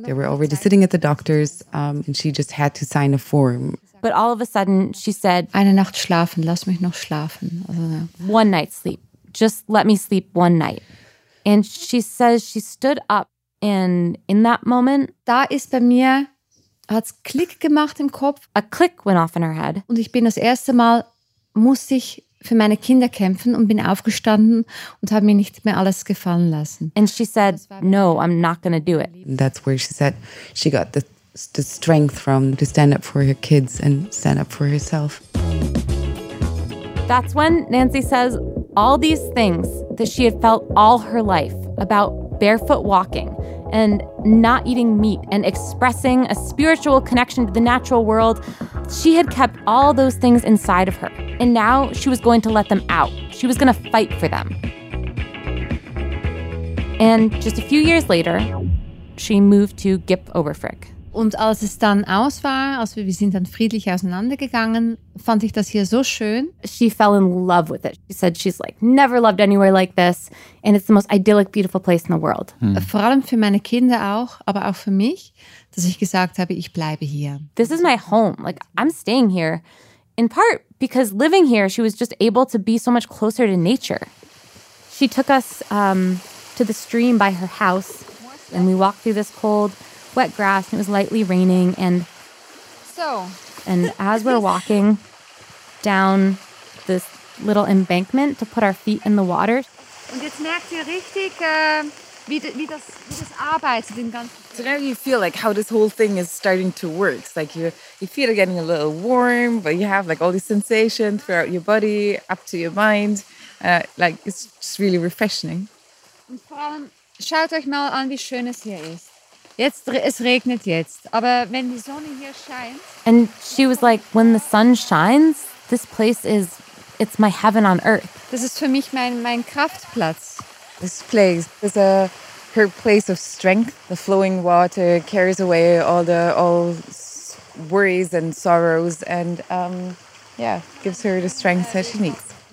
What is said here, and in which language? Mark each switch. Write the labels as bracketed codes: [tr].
[en] They were already sitting at the doctor's, and she just had to sign a form. But all of a sudden, she said, [de] "Eine Nacht schlafen, lass mich noch schlafen." [en] One night sleep, just let me sleep one night. And she says she stood up, and in that moment, [de] da ist bei mir, hat's Klick gemacht im Kopf. [en] A click went off in her head. [de] Und ich bin das erste Mal muss ich für meine Kinder kämpfen und bin aufgestanden und habe mir nicht mehr alles gefallen lassen. [en] And she said, "No, I'm not going to do it." That's where she said she got the strength from to stand up for her kids and stand up for herself. That's when Nancy says all these things that she had felt all her life about barefoot walking and not eating meat and expressing a spiritual connection to the natural world. She had kept all those things inside of her. And now she was going to let them out. She was going to fight for them. And just a few years later, she moved to Gip Oberfrick. [de] Und als es dann aus war, als wir sind dann friedlich auseinandergegangen, fand ich das hier so schön. [en] She fell in love with it. She said she's like never loved anywhere like this, and it's the most idyllic, beautiful place in the world. Hmm. [de] Vor allem für meine Kinder auch, aber auch für mich, dass ich gesagt habe, ich bleibe hier. [en] This is my home. Like, I'm staying here. In part because living here, she was just able to be so much closer to nature. She took us to the stream by her house, and we walked through this cold, wet grass, and it was lightly raining, and as we're walking down this little embankment to put our feet in the water. [de] Und jetzt merkt ihr richtig, wie das arbeitet, den ganzen. [en] So now you feel like how this whole thing is starting to work. It's like you feel it getting a little warm, but you have like all these sensations throughout your body, up to your mind. Like it's just really refreshing. [de] Und vor allem, schaut euch mal an, wie schön es hier ist. Jetzt, es regnet jetzt, aber wenn die Sonne hier scheint. [en] And she was like, when the sun shines, this place is, it's my heaven on earth. [de] Das ist für mich mein Kraftplatz. [en] This place is a her place of strength. The flowing water carries away all worries and sorrows, and gives her the strength that she needs.